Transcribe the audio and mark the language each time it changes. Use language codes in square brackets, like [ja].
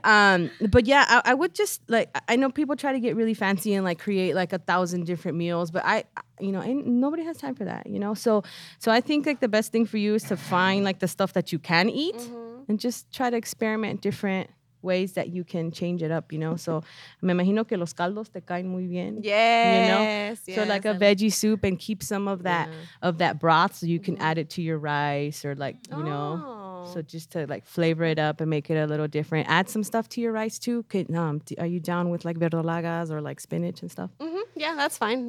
[en] But yeah, I would just like, I know people try to get really fancy and like create like 1,000 different meals, but I, you know, ain't, nobody has time for that, you know? So I think like the best thing for you is to find like the stuff that you can eat and just try to experiment different ways that you can change it up, you know. [es] So me imagino que los caldos te caen muy bien. [en] Yes. So like a veggie soup and keep some of that of that broth so you can add it to your rice or like, you know. So just to like flavor it up and make it a little different. Add some stuff to your rice too. Are you down with like verdolagas or like spinach and stuff? Yeah, that's fine.